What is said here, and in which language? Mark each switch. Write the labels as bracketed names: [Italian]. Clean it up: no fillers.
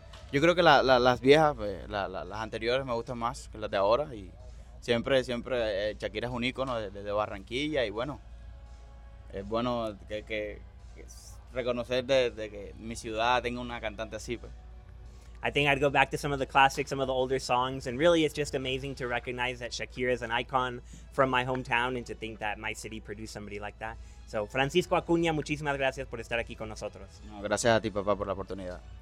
[Spanish] Yo creo que las viejas, pues, las anteriores me gustan más que las de ahora. Y siempre Shakira es un ícono de Barranquilla. Y bueno, es bueno que reconocer de que mi ciudad tenga una cantante así, pues. [English] I think I'd go back to some of the classics, some of the older songs, and really it's just amazing to recognize that Shakira is an icon from my hometown and to think that my city produced somebody like that. [Spanish] So, Francisco Acuña, muchísimas gracias por estar aquí con nosotros. No, gracias a ti, papá, por la oportunidad.